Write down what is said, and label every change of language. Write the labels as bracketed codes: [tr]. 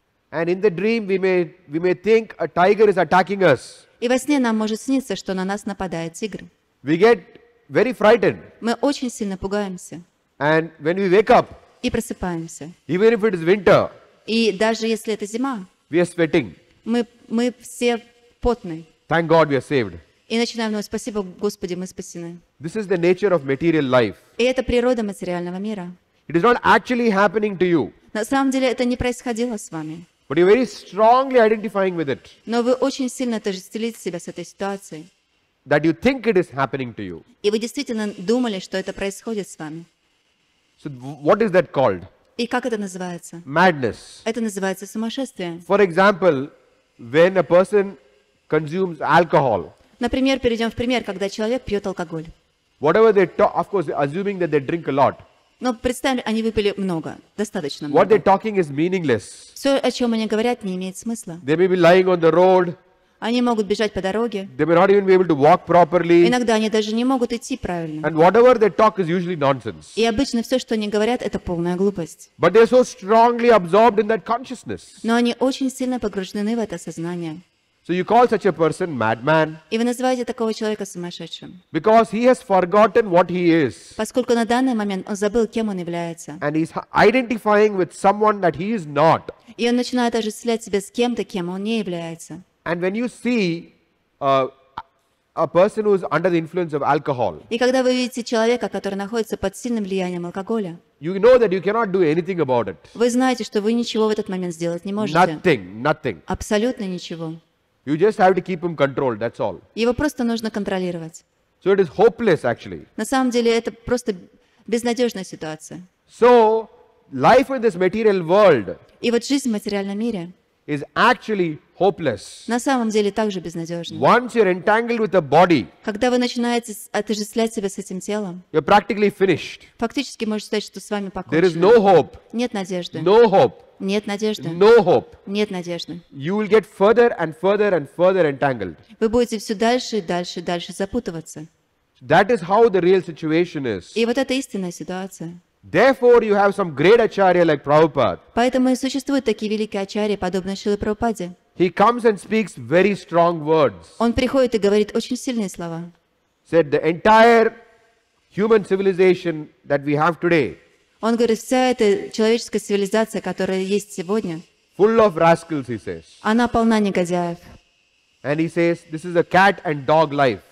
[en] And in the dream we may think a tiger is attacking us. [ru] И во сне нам может сниться, что на нас нападает тигр. [en] We get very frightened. [ru] Мы очень сильно пугаемся. [en] And when we wake up. [ru] И просыпаемся. [en] Even if it is winter. [ru] И даже если это зима. [en] We are sweating. [ru] Мы все потны. [en] Thank God we are saved. [ru] И начинаем говорить, спасибо, Господи, мы спасены. [en] This is the nature of material life. [ru] И это природа материального мира. [en] It is not actually happening to you. [ru] На самом деле это не происходило с вами. [en] But you're very strongly identifying with it. [ru] Но вы очень сильно отождествляете себя с этой ситуацией. [en] That you think it is happening to you. [ru] И вы действительно думали, что это происходит с вами. [en] So what is that called? [ru] И как это называется? [en] Madness. [ru] Это называется сумасшествие. [en] For example, when a person consumes alcohol. [ru] Например, перейдем в пример, когда человек пьет алкоголь. [en] Whatever they talk, of course, assuming that they drink a lot. [ru] Но представим, они выпили много, достаточно много. [en] What they're talking is meaningless. [ru] Все, о чем они говорят, не имеет смысла. [en] They may be lying on the road. [ru] Они могут бежать по дороге. [en] They may not even be able to walk properly. [ru] Иногда они даже не могут идти правильно. [en] And whatever they talk is usually nonsense. [ru] И обычно все, что они говорят, это полная глупость. [en] But they're so strongly absorbed in that consciousness. [ru] Но они очень сильно погружены в это сознание. [en] So you call such a person madman? [ru] И вы называете такого человека сумасшедшим? [en] Because he has forgotten what he is. [ru] Поскольку на данный момент он забыл, кем он является. [en] And he's identifying with someone that he is not. [ru] И он начинает ожествлять себя с кем-то, кем он не является. [en] And when you see a person who is under the influence of alcohol, [ru] и когда вы видите человека, который находится под сильным влиянием алкоголя, [en] you know that you cannot do anything about it. [ru] Вы знаете, что вы ничего в этот момент сделать не можете. [en] Nothing, nothing. [ru] Абсолютно ничего. [en] You just have to keep him controlled. That's all. [ru] Его просто нужно контролировать. [en] So it is hopeless, actually. [ru] На самом деле это просто безнадежная ситуация. [en] So life in this material world. [ru] И вот жизнь в материальном мире. [en] Is actually hopeless. [ru] На самом деле также безнадежно. [en] Once you're entangled with the body. [ru] Когда вы начинаете отождествлять себя с этим телом. [en] You're practically finished. [ru] Фактически можно сказать, что с вами покончено. [en] There is no hope. [ru] Нет надежды. [en] No hope. [ru] Нет надежды. [en] No hope. [ru] Нет надежды. [en] You will get further and further and further entangled. [ru] Вы будете все дальше и дальше и дальше запутываться. [en] That is how the real situation is. [ru] И вот это истинная ситуация. [en] Therefore, you have some great acharya like Prabhupada. [ru] Поэтому и существуют такие великие ачарьи, подобные Шриле Прабхупаде. [en] He comes and speaks very strong words. [ru] Он приходит и говорит очень сильные слова. [en] Said the entire human civilization that we have today. [ru] Он говорит, вся эта человеческая цивилизация, которая есть сегодня. [en] Full of rascals, he says. [ru] Она полна негодяев. [en] And he says, this is a cat and dog life.